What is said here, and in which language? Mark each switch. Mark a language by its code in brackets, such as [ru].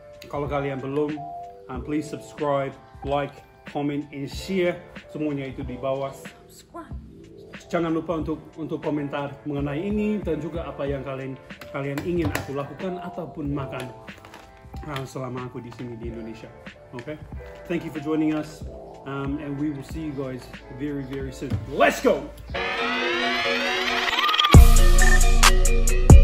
[id] Kalau kalian belum, [en] please subscribe, like, comment, and share. [id] Semuanya itu di bawah. [en] Subscribe. [id] Jangan lupa untuk komentar mengenai ini dan juga apa yang kalian ingin aku lakukan ataupun makan selama aku di sini di Indonesia. [en] Okay? Thank you for joining us, and we will see you guys very, very soon. Let's go!